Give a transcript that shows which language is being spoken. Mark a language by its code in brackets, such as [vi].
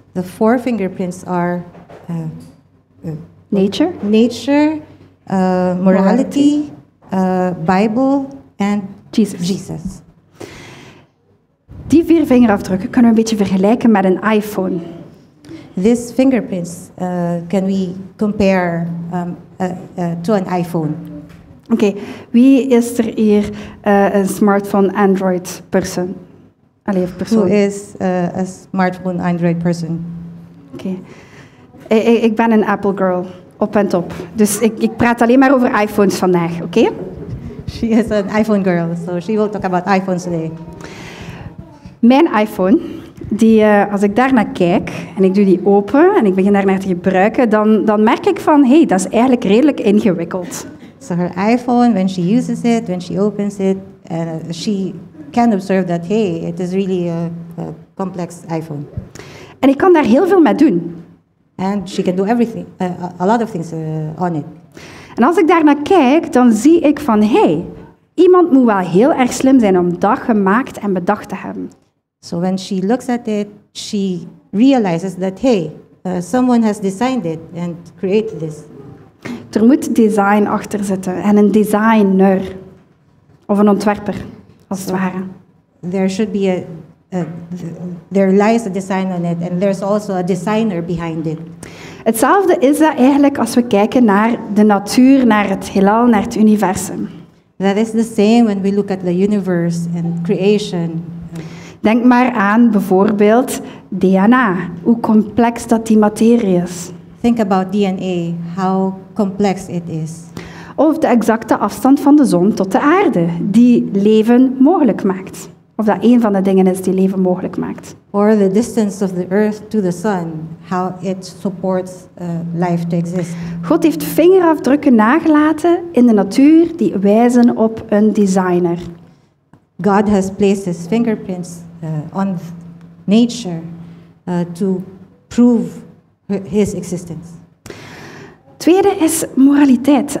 [en] The four fingerprints are nature. Nature, morality, Bible [nl] en [en] Jesus. [nl] Die vier vingerafdrukken kunnen we een beetje vergelijken met een iPhone. [en] These fingerprints can we compare to an iPhone. [nl] Oké, wie is er hier een [en] smartphone Android person? [nl] Allee, persoon? [en] Who is a smartphone Android person? Oké. [nl] Ik ben een Apple girl, op en top. Dus ik praat alleen maar over iPhones vandaag, oké? [en] She is an iPhone girl, so she will talk about iPhones today. [nl] Mijn iPhone, die als ik daarnaar kijk en ik doe die open en ik begin daarnaar te gebruiken, dan merk ik van, hey, dat is eigenlijk redelijk ingewikkeld. [en] So her iPhone, when she uses it, when she opens it, she can observe that, hey, it is really a complex iPhone. [nl] En ik kan daar heel veel mee doen. [en] And she can do everything, a lot of things on it. [nl] En als ik daarnaar kijk, dan zie ik van, hey, iemand moet wel heel erg slim zijn om dat gemaakt en bedacht te hebben. [en] So when she looks at it, she realizes that, hey, someone has designed it and created this. [nl] Er moet design achter zitten en een designer of een ontwerper, als het ware. [en] There should be there lies a design on it and there's also a designer behind it. [nl] Hetzelfde is dat eigenlijk als we kijken naar de natuur, naar het heelal, naar het universum. [en] That is the same when we look at the universe and creation. [nl] Denk maar aan bijvoorbeeld DNA, hoe complex dat die materie is. [en] Think about DNA, how complex it is. [nl] Of de exacte afstand van de zon tot de aarde, die leven mogelijk maakt. Of dat één van de dingen is die leven mogelijk maakt. [en] Or the distance of the earth to the sun, how it supports life to exist. [nl] God heeft vingerafdrukken nagelaten in de natuur die wijzen op een designer. [en] God has placed his fingerprints on nature to prove his existence. [nl] Tweede is moraliteit.